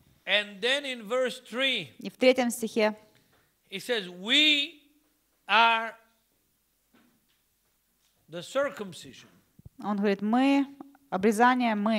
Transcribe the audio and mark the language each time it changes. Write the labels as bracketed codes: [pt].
[en] And then in verse 3. [ru] И в третьем стихе. [en] He says, "We are the circumcision." [ru] Он говорит, мы обрезание.